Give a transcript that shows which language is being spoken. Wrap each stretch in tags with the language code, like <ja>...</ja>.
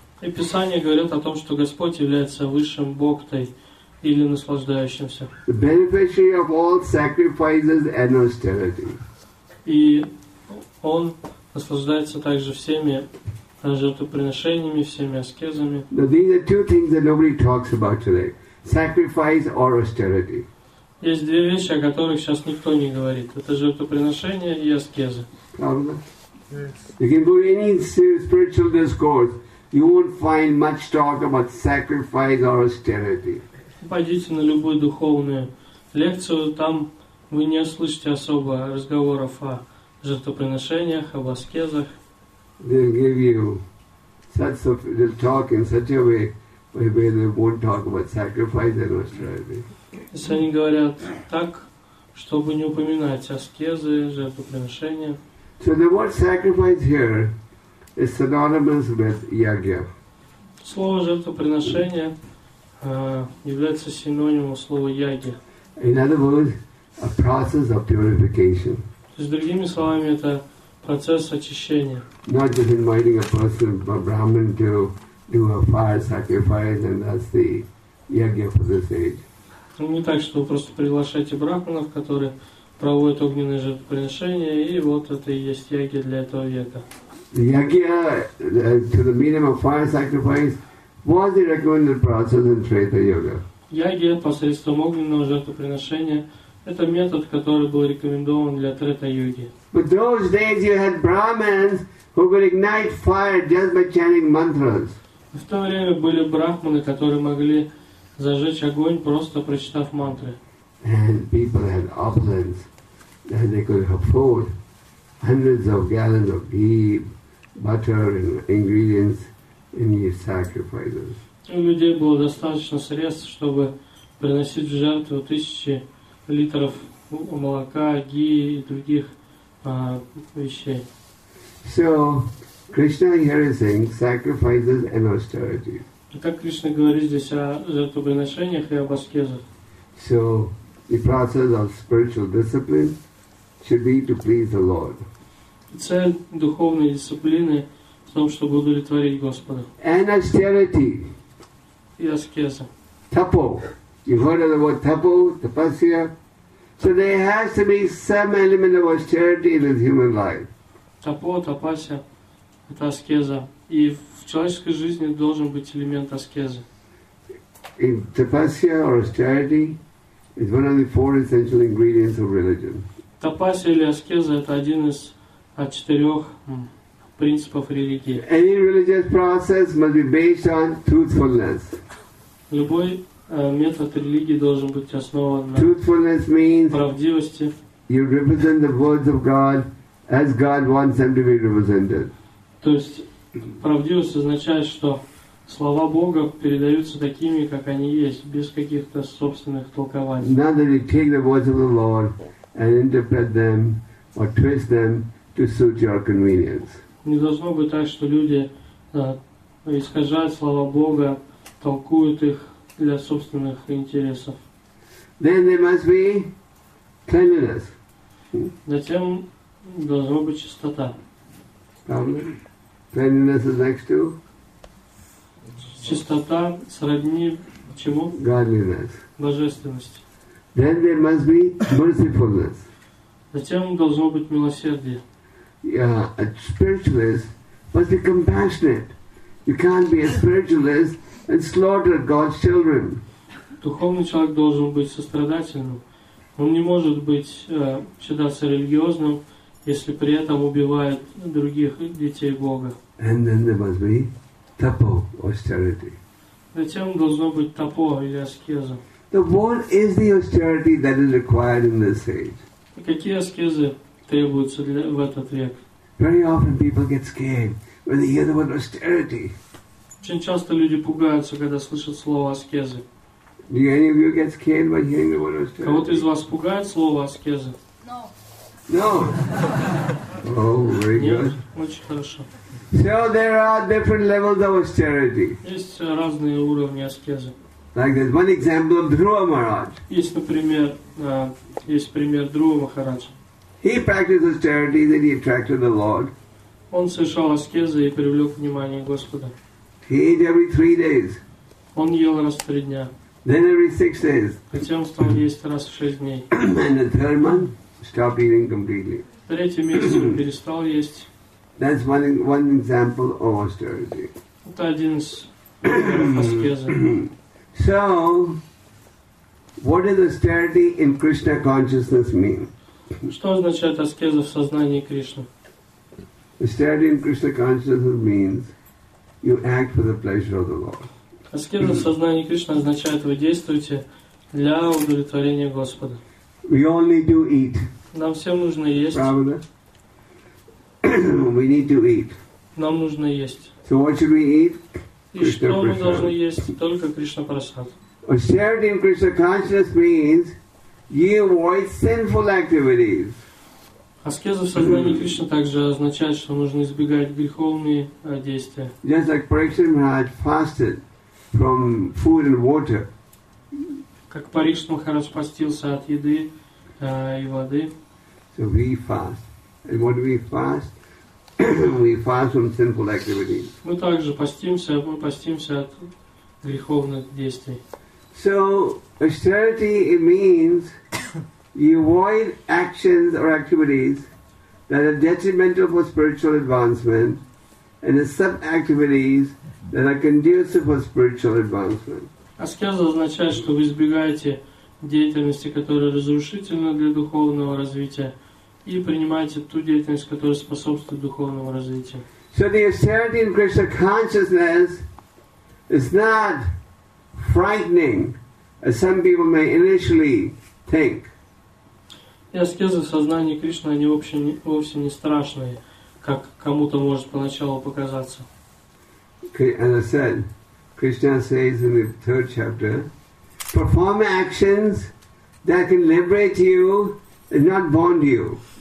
<ru>И Писание говорит о том, что Господь является высшим боктой или наслаждающимся.</ru> <en>The beneficiary of all sacrifices and austerity.</en> <ru>И Он наслаждается также всеми жертвоприношениями, всеми аскезами.</ru> <en>Now these are two things that nobody talks about today: sacrifice or austerity.</en> <ru>Есть две вещи, о которых сейчас никто не говорит. Это жертвоприношения и аскезы.</ru> <en>You can go any spiritual discourse, you won't find much talk about sacrifice or austerity.</en> <ru>Пойдите на любую духовную лекцию, там вы не услышите особо разговоров о жертвоприношениях, об аскезах.</ru> <en>They'll give you such a, they'll talk in such a way where they won't talk about sacrifice and austerity.</en> <ru>Если они говорят так, чтобы не упоминать аскезы, жертвоприношения.</ru> <en>So the word sacrifice here is synonymous with yagya.</en> <ru>Слово жертвоприношение является синонимом слова яги.</ru> <en>In other words, a process of purification.</en> <ru>То есть, другими словами, это процесс очищения.</ru> <en>Not just inviting a person, a Brahmin, to do a fire sacrifice, and that's the yagya for this age.</en> <ru>Ну, не так, что вы просто приглашаете брахманов, которые проводят огненное жертвоприношение, и вот это и есть ягья для этого века.</ru> <en>Ягья, to the meaning of fire sacrifice, was the recommended process in Treta Yoga.</en> <ru>Ягья посредством огненного жертвоприношения – это метод, который был рекомендован для Трета Йоги.</ru> <en>But those days you had brahmins who could ignite fire just by chanting mantras.</en> <ru>В то время были брахманы, которые могли зажечь огонь, просто прочитав мантры.</ru> <en>And people had ovens that they could afford hundreds of gallons of ghee, butter and ingredients in these sacrifices.</en> <ru>У людей было достаточно средств, чтобы приносить в жертву тысячи литров молока, ghee и других вещей.</ru> <en>So, Krishna here is saying sacrifices and austerity.</en> <ru>Как Кришна говорит здесь о жертвоприношениях и об аскезах?</ru> <en>So, the process of spiritual discipline should be to please the Lord.</en> <ru>Цель духовной дисциплины в том, чтобы удовлетворить Господа.</ru> <en>And austerity.</en> <ru>И аскеза.</ru> <en>Tapo. You've heard of the word tapo, tapasya. So there has to be some element of austerity in this human life.</en> <ru>Tapo, tapasya. Это аскеза. И в человеческой жизни должен быть элемент аскезы.</ru> <en>In tapasya or austerity, it's one of the four essential ingredients of religion.</en> <ru>Тапасия или аскеза – это один из четырех принципов религии.</ru> <en>Any religious process must be based on truthfulness.</en> <ru>Любой метод религии должен быть основан на</ru> <en>truthfulness means</en> <ru>правдивости.</ru> <en>You represent the words of God as God wants them to be represented.</en> <ru>То есть правдивость означает, что слова Бога передаются такими, как они есть, без каких-то собственных толкований.</ru> <en>Now that you take the words of the Lord and interpret them or twist them to suit your convenience.</en> <ru>Не должно быть так, что люди искажают слова Бога, толкуют их для собственных интересов.</ru> <en>Then they must be cleanliness.</en> <ru>Затем должна быть чистота.</ru> <en>Cleanliness is next to?</en> <ru>Чистота сродни чему?</ru> <en>Godliness.</en> <ru>Божественности.</ru> <en>Then there must be mercifulness.</en> <ru>Затем должно быть милосердие.</ru> <en>Yeah, a spiritualist must be compassionate. You can't be a spiritualist and slaughter God's children.</en> <ru>Духовный человек должен быть сострадательным. Он не может быть считаться религиозным, если при этом убивает других детей Бога.</ru> <en>And then there must be tapo, austerity.</en> <ru>Затем должно быть тапо или аскеза.</ru> <en>So what is the austerity that is required in this age?</en> <ru>Какие аскезы требуются в этот век?</ru> <en>Very often people get scared when they hear the word austerity.</en> <ru>Очень часто люди пугаются, когда слышат слово аскезы.</ru> <en>Do any of you get scared by hearing the word austerity?</en> <ru>Кого-то из вас пугает слово аскеза?</ru> <en>No. No. Oh, very good.</en> <ru>Очень хорошо.</ru> <en>So there are different levels of austerity.</en> <ru>Есть разные уровни аскезы.</ru> <en>Like there's one example of Dhruva Maharaj.</en> <ru>Есть, например, есть пример Dhruva Maharaj.</ru> <en>He practiced austerity, then he attracted the Lord.</en> <ru>Он совершал аскезы и привлек внимание Господа.</ru> <en>He ate every 3 days.</en> <ru>Он ел раз в 3 дня.</ru> <en>Then every 6 days.</en> <ru>Затем стал есть раз в 6 дней.</ru> <en>And the third month, stopped eating completely.</en> <ru>Третий месяц он перестал есть.</ru> <en>That's one example of austerity.</en> <ru>Это один из примеров аскезы.</ru> <en>So, what does austerity in Krishna consciousness mean?</en> <ru>Что означает аскеза в сознании Кришны?</ru> <en>Austerity in Krishna consciousness means you act for the pleasure of the Lord.</en> <ru>Аскеза в сознании Кришны означает вы действуете для удовлетворения Господа.</ru> <en>We only do eat.</en> <ru>Нам всем нужно есть. Правда?</ru> <en>We need to eat.</en> <ru>Нам нужно есть.</ru> <en>So what should we eat?</en> <ru>И что мы должны есть? Только Кришна Прасад.</ru> <en>Austerity in Krishna consciousness means you avoid sinful activities.</en> <ru>Аскеза в сознании Кришны также означает, что нужно избегать греховные действия.</ru> <en>Just like Parikshit Maharaj fasted from food and water.</en> <ru>Как Парикшит Махарадж постился от еды и воды.</ru> <en>So we fast. And what do we fast? We fast from sinful activities.</en> <ru>Мы также постимся, мы постимся от греховных действий.</ru> <en>So austerity it means you avoid actions or activities that are detrimental for spiritual advancement, and the sub-activities that are conducive for spiritual advancement.</en> <ru>Аскеза означает, что вы избегаете деятельности, которая разрушительна для духовного развития. И принимаете ту деятельность, которая способствует духовному развитию.</ru> <en>So the austerity in Krishna consciousness is not frightening, as some people may initially think.</en> <ru>И аскеза в сознании Кришны они вовсе не страшные, как кому-то может поначалу показаться.</ru> <en>As I said, Krishna says in the 3rd chapter, perform actions that can liberate you and not bond you.</en>